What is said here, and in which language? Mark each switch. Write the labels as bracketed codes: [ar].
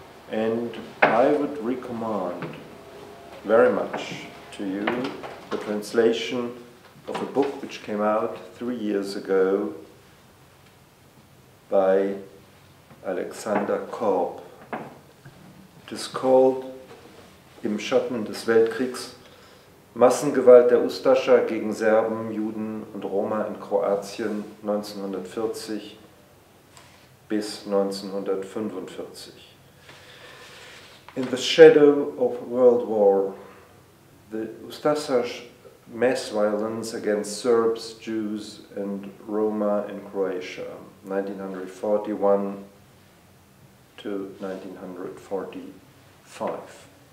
[en] And I would recommend very much to you the translation of a book which came out 3 years ago by Alexander Korb. It is called [de] Im Schatten des Weltkriegs, Massengewalt der Ustaša gegen Serben, Juden und Roma in Kroatien 1940 bis 1945. [en] In the Shadow of World War, the Ustaša mass violence against Serbs, Jews and Roma in Croatia, 1941 to 1945.